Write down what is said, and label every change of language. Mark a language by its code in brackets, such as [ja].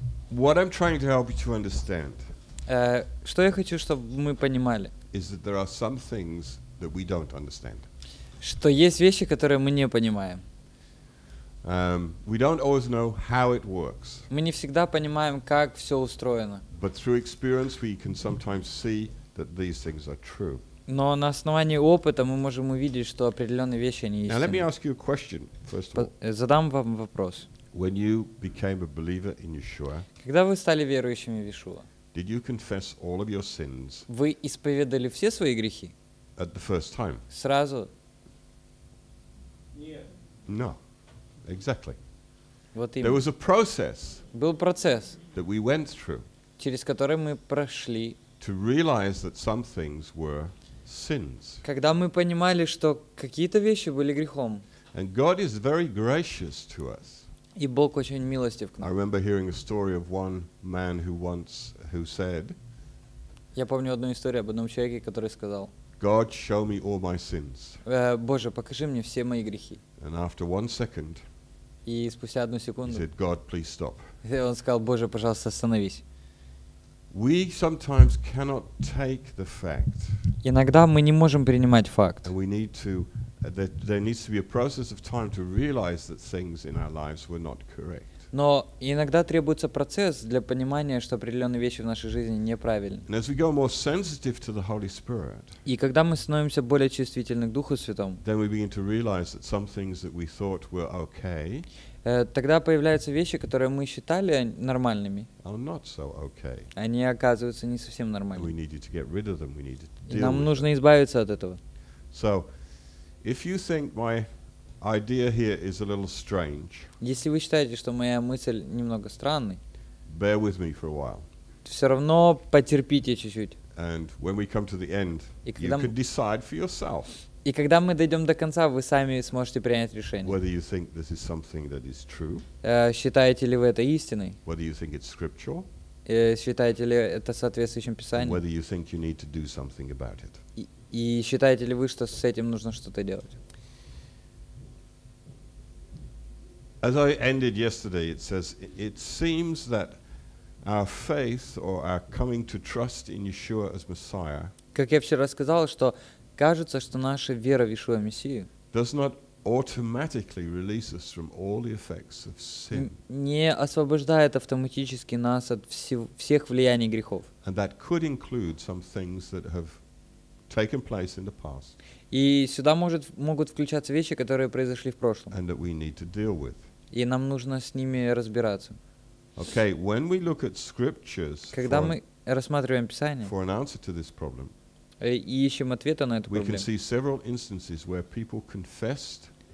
[en] What I'm trying to help you to understand. [ru] Что я хочу, чтобы мы понимали. [en] Is that there are some things that we don't understand. [ru] Что есть вещи, которые мы не понимаем. [en] We don't always know how it works. [ru] Мы не всегда понимаем, как все устроено. [en] But through experience, we can sometimes see that these things are true. [ru] Но на основании опыта мы можем увидеть, что определенные вещи не истинны. [en] Now let me ask you a question, first of all. [ru] Задам вам вопрос. [en] When you became a believer in Yeshua, [ru] когда вы стали верующими в Иешуа, [en] did you confess all of your sins? [ru] Вы исповедали все свои грехи? [en] At the first time. [ru] Сразу? Нет. [en] No. Exactly. [ru] Вот [en] there was a process. [ru] Был процесс. [en] That we went through. [ru] Через который мы прошли. [en] To realize that some things were sins. [ru] Когда мы понимали, что какие-то вещи были грехом. [en] And God is very gracious to us. [ru] И Бог очень милостив к нам. [en] I remember hearing a story of one man who said. [ru] Я помню одну историю об одном человеке, который сказал. [en] God, show me all my sins. [ru] Боже, покажи мне все мои грехи. [en] And after 1 second. [ru] И спустя одну секунду. [en] He said, God, please stop. [ru] Он сказал, Боже, пожалуйста, остановись. [en] We sometimes cannot take the fact. [ru] Иногда мы не можем принимать факт. [en] And we need to that there needs to be a process of time to realize that things in our lives were not correct. [ru] Но иногда требуется процесс для понимания, что определенные вещи в нашей жизни неправильны. И когда мы становимся более чувствительны к Духу Святому, тогда появляются вещи, которые мы считали нормальными. Они оказываются не совсем нормальными. Нам нужно избавиться от этого. [en] So, if you think my idea here is a little strange. [ru] Если вы считаете, что моя мысль немного странной, [en] bear with me for a while. [ru] Все равно потерпите чуть-чуть. [en] And when we come to the end, you can decide for yourself. [ru] И когда мы дойдем до конца, вы сами сможете принять решение. [en] Whether you think this is something that is true. [ru] Считаете ли вы это истиной? [en] Whether you think it's scriptural. [ru] Считаете ли это соответствующим писанием? [en] Whether you think you need to do something about it. [ru] И считаете ли вы, что с этим нужно что-то делать? [en] As I ended yesterday, it says, it seems that our faith or our coming to trust in Yeshua as Messiah, [ru] как я вчера сказал, что кажется, что наша вера в Иешуа Мессию [en] does not automatically release us from all the effects of sin. [ru] Не освобождает автоматически нас от всех влияний грехов. [en] And that could include some things that have taken place in the past. [ru] И сюда могут включаться вещи, которые произошли в прошлом. [en] And that we need to deal with. [ru] И нам нужно с ними разбираться. [en] Okay, when we look at scriptures, [ru] когда мы рассматриваем Писание, [en] for an answer to this problem, [ru] и ищем ответа на эту [en] we [ru] проблему, [en] can see several instances where people confessed,